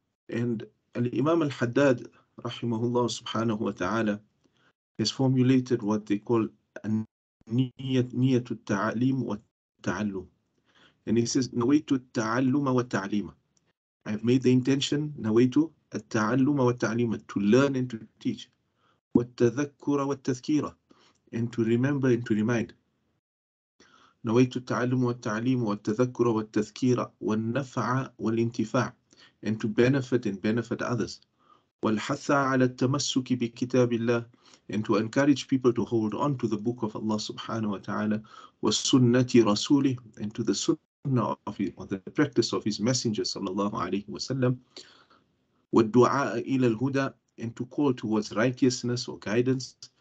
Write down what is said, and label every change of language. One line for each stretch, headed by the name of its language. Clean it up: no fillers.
English: And Al-Imam Al-Haddad, rahimahullah subhanahu wa ta'ala, has formulated what they call
Arabic: niyatu ta'alim wa ta'allum.
English: And he says,
Arabic: nawaitu ta'alluma wa ta'alima.
English: I've made the intention, nawaitu,
Arabic: التعلم والتعليم,
English: to learn and to teach,
Arabic: والتذكر والتذكير,
English: and to remember and to remind.
Arabic: نويت التعلم والتعليم والتذكر والتذكير والنفع والانتفاع,
English: and to benefit and benefit others.
Arabic: والحث على التمسك بكتاب الله,
English: and to encourage people to hold on to the book of Allah subhanahu wa ta'ala.
Arabic: والسنة رسوله,
English: and to the sunnah of his, or the practice of his messenger sallallahu alayhi wa sallam.
Arabic: والدعاء إلى الهدى,
English: and to call towards righteousness or guidance.